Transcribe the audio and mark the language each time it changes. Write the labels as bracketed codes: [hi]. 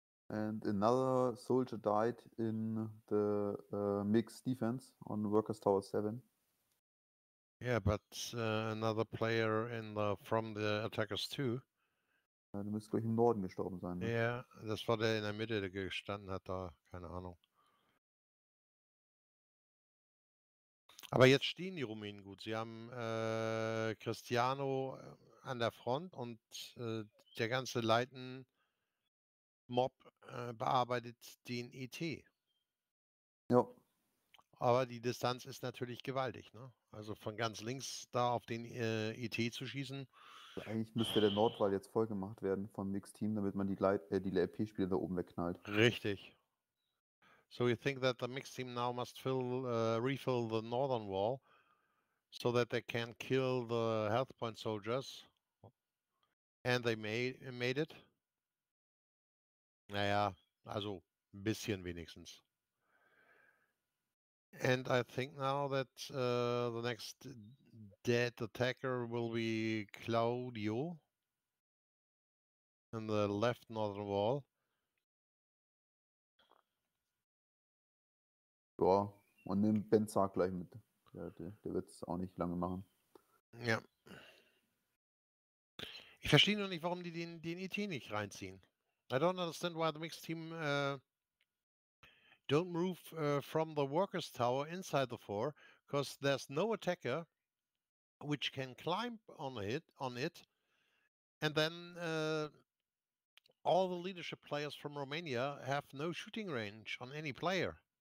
[en] And another soldier died in the mixed defense on Workers Tower 7. Yeah, but another player in the from the attackers too. [de] Du müsst gleich im Norden gestorben sein. Ja, ne? Yeah, das war der in der Mitte, der gestanden hat da, keine Ahnung. Aber jetzt stehen die Rumänen gut. Sie haben Cristiano an der Front und der ganze Leiten Mob bearbeitet den ET. Ja. Aber die Distanz ist natürlich gewaltig, ne? Also von ganz links da auf den ET zu schießen. Eigentlich müsste der Nordwall jetzt voll gemacht werden vom Mix-Team, damit man die LP-Spieler da oben wegknallt. Richtig. [en] So you think that the Mix-Team now must refill the northern wall, so that they can kill the health point soldiers. And they made it. [de] Naja, also ein bisschen wenigstens. [en] And I think now that the next dead attacker will be Claudio in the left northern wall. [de] Ja, und nimm Benzar gleich mit. Ja, der wird es auch nicht lange machen. Ja. Ich verstehe nur nicht, warum die den ET nicht reinziehen. [en] I don't understand why the mixed team don't move from the workers' tower inside the four, because there's no attacker which can climb on it, and then all the leadership players from Romania have no shooting range on any player.